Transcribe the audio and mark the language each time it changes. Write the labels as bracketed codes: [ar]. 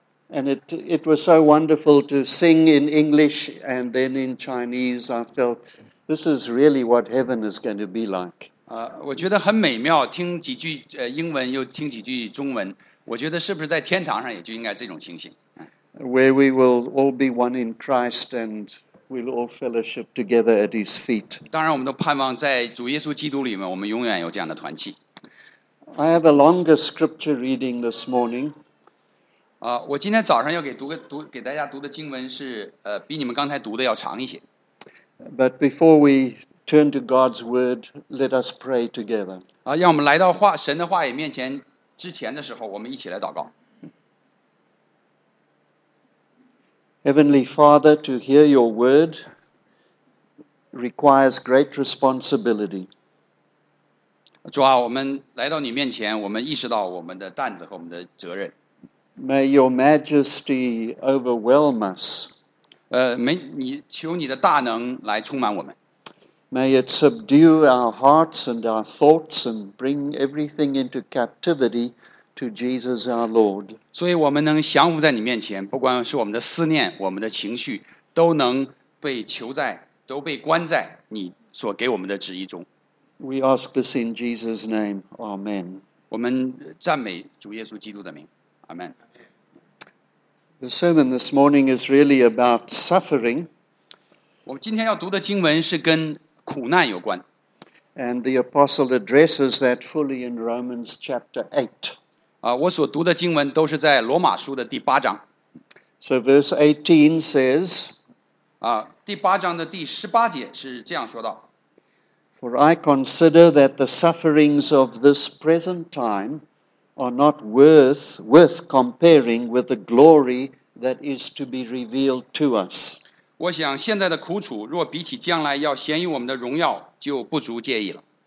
[en] And it was so wonderful to sing in English and then in Chinese. I felt this is really what heaven is going to be like. [zh] 我觉得很美妙，听几句英文又听几句中文，我觉得是不是在天堂上也就应该这种情形 [en] ？Where we will all be one in Christ and we'll all fellowship together at His feet. [zh] 当然，我们都盼望在主耶稣基督里面，我们永远有这样的团契。 [en] I have a longer scripture reading this morning. [zh] 我今天早上要给大家读的经文是比你们刚才读的要长一些。 [en] But before we turn to God's word, let us pray together. [zh] 让我们来到神的话语面前之前的时候，我们一起来祷告。 [en] Heavenly Father, to hear your word requires great responsibility. [zh] 主啊，我们来到你面前，我们意识到我们的担子和我们的责任。 [en] May your majesty overwhelm us. [zh] 求你的大能来充满我们。 [en] May it subdue our hearts and our thoughts and bring everything into captivity to Jesus our Lord. [zh] 所以我们能降服在你面前，不管是我们的思念、我们的情绪，都能被囚在、都被关在你所给我们的旨意中。 [en] We ask this in Jesus' name. Amen. [zh] 我们赞美主耶稣基督的名。 [en] Amen. The sermon this morning is really about suffering. [zh] 我们今天要读的经文是跟苦难有关。 [en] And the apostle addresses that fully in Romans chapter 8. [zh] 我所读的经文都是在罗马书的第八章。 [en] So verse 18 says, [zh] 第八章的第十八节是这样说道。 [en] For I consider that the sufferings of this present time are not worth comparing with the glory that is to be revealed to us. [zh] 我想现在的苦楚若比起将来要显于我们的荣耀就不足介意了。